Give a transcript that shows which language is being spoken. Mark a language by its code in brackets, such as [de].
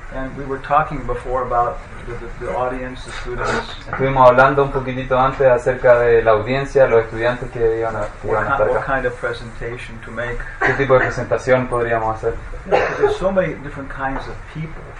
[en] And we were talking before about the audience, the students. [es] Estuvimos hablando un poquitito antes acerca de la audiencia, los estudiantes que iban a estar acá. [en] What kind of presentation to make? [es] ¿Qué tipo de presentación podríamos hacer? [en] Because there's so many different kinds of people.